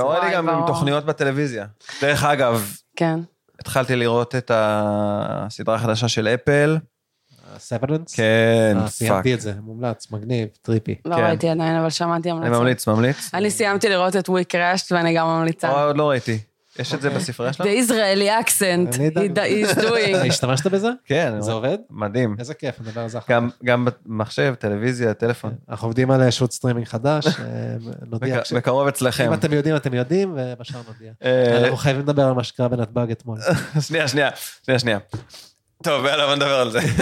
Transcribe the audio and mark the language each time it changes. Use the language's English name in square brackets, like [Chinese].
[Hebrew] קורא לי גם עם תוכניות בטלוויזיה. דרך אגב, התחלתי לראות את הסדרה החדשה של אפל. סברנס? כן, פאק. סיימתי את זה, מומלץ, מגניב, טריפי. לא ראיתי עדיין, אבל שמעתי המלצה. אני ממליץ, ממליץ. אני סיימתי לראות את We Crashed, ואני גם ממליצה. עוד לא ראיתי. יש את זה בספרי שלנו? [English] The Israeli accent, he's doing. [Hebrew] השתמשת בזה? כן. זה עובד? מדהים. איזה כיף, אני אדבר על זה אחר. גם במחשב, טלוויזיה, טלפון. אנחנו עובדים על שוט סטרימינג חדש, נודיע. בקרוב אצלכם. אם אתם יודעים, אתם יודעים, ובשאר נודיע. אנחנו חייבים לדבר על מה שקרה בנתב"ג אתמול. שנייה. טוב, יאללה, בוא נדבר על זה.